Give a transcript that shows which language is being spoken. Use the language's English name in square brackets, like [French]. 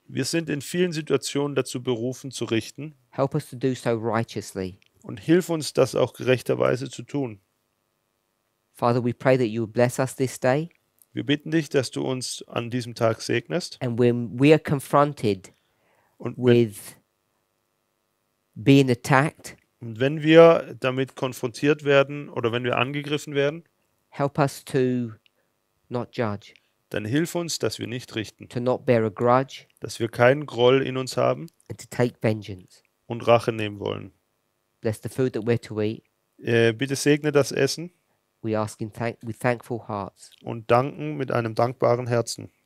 [German] Wir sind in vielen Situationen dazu berufen zu richten. [English] Help us to do so righteously. [German] Und hilf uns, das auch gerechterweise zu tun. [English] Father, we pray that you bless us this day. [German] Wir bitten dich, dass du uns an diesem Tag segnest. [English] And when we are confronted with being attacked. [German] Und wenn wir damit konfrontiert werden oder wenn wir angegriffen werden, [English] help us to not judge. [German] Dann hilf uns, dass wir nicht richten. [English] To not bear a grudge. [German] Dass wir keinen Groll in uns haben. [English] And to take vengeance. [German] Und Rache nehmen wollen. [English] Bless the food that we're to eat. [German] Bitte segne das Essen. [English] We ask with thankful hearts. [German] Und danken mit einem dankbaren Herzen.